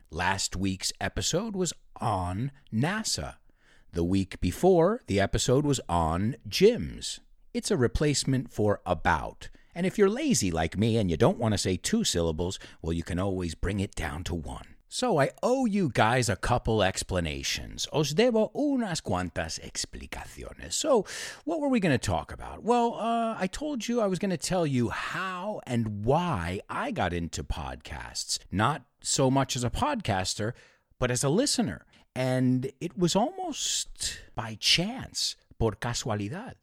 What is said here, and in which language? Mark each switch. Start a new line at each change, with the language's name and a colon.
English: Last week's episode was on NASA. The week before, the episode was on gyms. It's a replacement for about. And if you're lazy like me and you don't want to say two syllables, well, you can always bring it down to one. So I owe you guys a couple explanations.
Spanish: Os debo unas cuantas explicaciones.
English: So what were we going to talk about? Well, I told you I was going to tell you how and why I got into podcasts. Not so much as a podcaster, but as a listener. And it was almost by chance.
Spanish: Por casualidad.